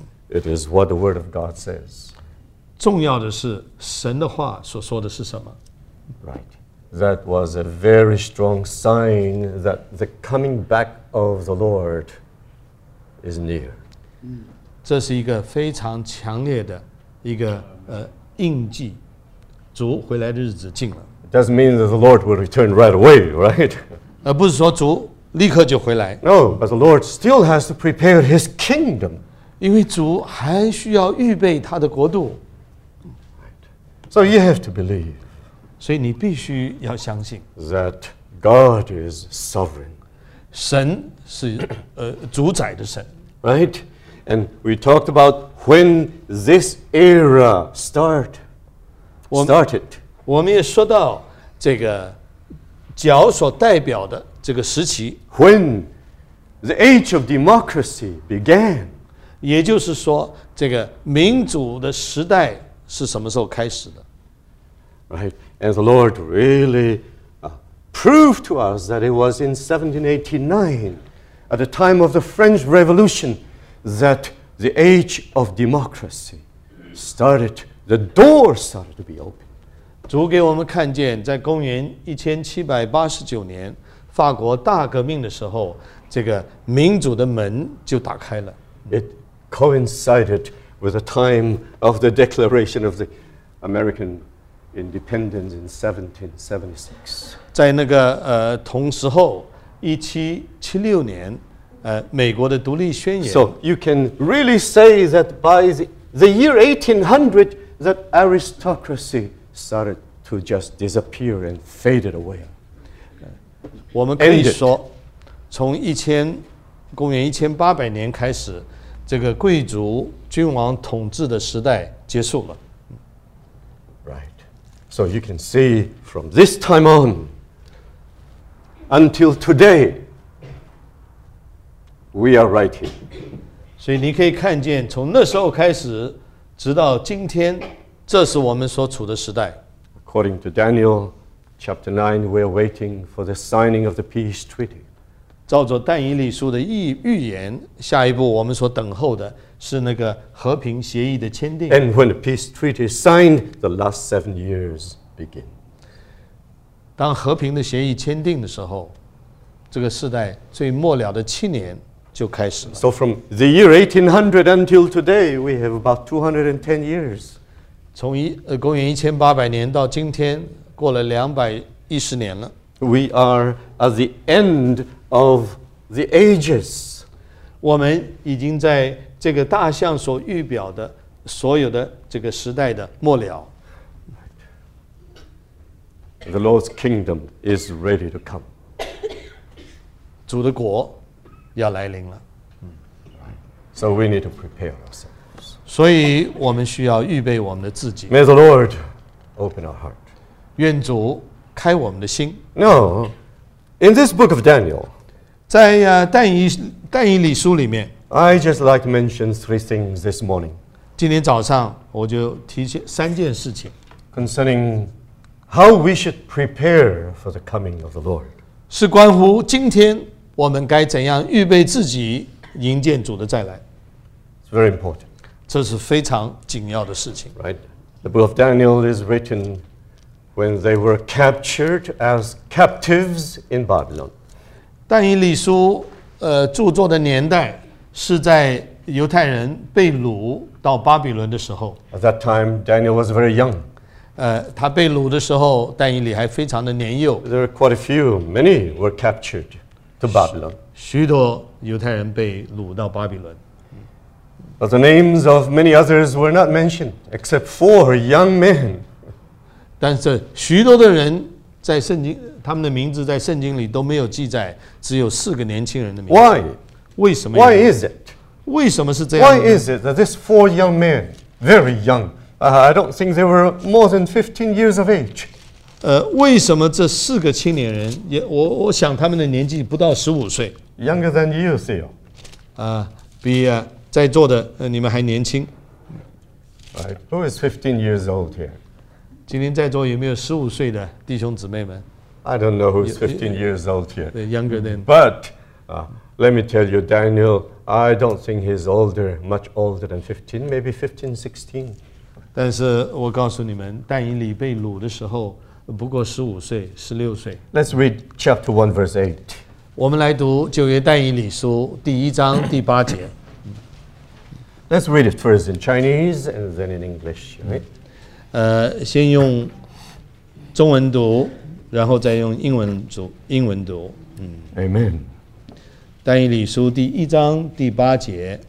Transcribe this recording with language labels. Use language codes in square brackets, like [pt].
[en] It is what the word of God says. [zh] 重要的是神的话所说的是什么。 [en] Right. That was a very strong sign that the coming back of the Lord is near. [zh] 这是一个非常强烈的一个印记。主回来的日子近了。 [en] It doesn't mean that the Lord will return right away, right? [zh] 不是说主立刻就回来。 [en] No, but the Lord still has to prepare his kingdom. [zh] 因为主还需要预备他的国度。 [en] So you have to believe. [zh] 所以你必须要相信。 [en] That God is sovereign. [zh] 神是主宰的神。 [en] Right? And we talked about when this era started. [zh] 我们也说到这个角所代表的这个时期。 [en] When the age of democracy began， [zh] 也就是说，这个民主的时代是什么时候开始的 [en] ？Right, and the Lord really proved to us that it was in 1789, at the time of the French Revolution, that the age of democracy started. The door started to be opened. [zh] 主给我们看见，在公元1789年法国大革命的时候，这个民主的门就打开了。 [en] It coincided with the time of the Declaration of the American Independence in 1776. [zh] 在那个同时候，1776年，美国的独立宣言。 [en] So you can really say that by the year 1800, that aristocracy started to just disappear and faded away. [zh] 我们可以说，从公元1800年开始，这个贵族君王统治的时代结束了。 [en] Right. So you can see from this time on until today, we are right here. [zh] 所以你可以看见，从那时候开始，直到今天，这是我们所处的时代。 [en] According to Daniel chapter 9, we are waiting for the signing of the peace treaty. [zh] 照着但以理书的预言，下一步我们所等候的是那个和平协议的签订。 [en] And when the peace treaty is signed, the last 7 years begin. [zh] 当和平的协议签订的时候，这个时代最末了的7年就开始了。 [en] So from the year 1800 until today, we have about 210 years. [zh] 从公元1800年到今天，过了210年了。 [en] We are at the end of the ages. [zh] 我们已经在这个大象所预表的所有的这个时代的末了。 [en] The Lord's kingdom is ready to come. [zh] 主的国要来临了。 [en] So we need to prepare ourselves. [zh] 所以我们需要预备我们的自己。 [en] May the Lord open our heart. [zh] 愿主开我们的心。 [en] No, in this book of Daniel, [zh] 在但以理书里面， [en] I just like to mention 3 things this morning. [zh] 今天早上我就提起三件事情。 [en] Concerning how we should prepare for the coming of the Lord. [zh] 是关乎今天我们该怎样预备自己迎接主的再来。 [en] It's very important. [zh] 这是非常紧要的事情。 [en] Right. The book of Daniel is written when they were captured as captives in Babylon. [zh] 但以理书著作的年代是在犹太人被掳到巴比伦的时候。 [en] At that time, Daniel was very young. [zh] 他被掳的时候，但以理还非常的年幼。 [en] There are quite a few, many were captured. To Babylon. [zh] 许多犹太人被掳到巴比伦。 [en] But the names of many others were not mentioned, except 4 young men. [zh] 但是许多的人在圣经，他们的名字在圣经里都没有记载，只有4个年轻人的名字。 [en] Why? [zh] 为什么？ [en] Why is it? [zh] 为什么是这样？ [en] Why is it that these 4 young men, very young, I don't think they were more than 15 years of age. [zh] 为什么这四个青年人也 我想他们的年纪不到15岁。 [en] Younger than you, Theo. [zh] 比在座的你们还年轻。 [en] Right. Who is 15 years old here? [zh] 今天在座有没有15岁的弟兄姊妹们？ [en] I don't know who is 15 years old here. Younger than. But, let me tell you, Daniel, I don't think he's older, much older than 15, maybe 15, 16. [zh] 但是我告诉你们，但以理被掳的时候不过十五岁，十六岁。 [en] Let's read chapter 1 verse 8. [zh] 我们来读旧约但以理书第一章第八节。 [en] Let's read it first in Chinese and then in English, right? [zh] 先用中文读，然后再用英文读。 [en] Amen. [zh] 但以理书第一章第八节。